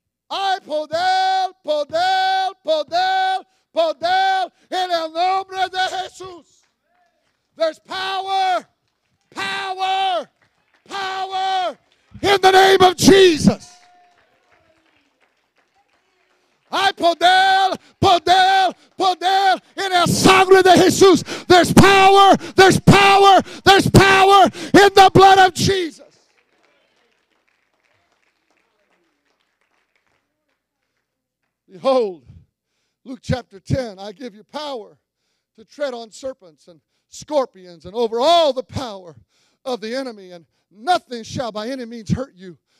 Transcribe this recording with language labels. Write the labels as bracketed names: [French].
[Spanish] Hay poder, poder, poder, poder en el nombre de Jesús. [English] There's power, power, power in the name of Jesus. [Spanish] Hay poder, poder, poder en el sangre de Jesús. [English] There's power, there's power, there's power in the blood of Jesus. Behold, Luke chapter 10, I give you power to tread on serpents and scorpions and over all the power of the enemy, and nothing shall by any means hurt you.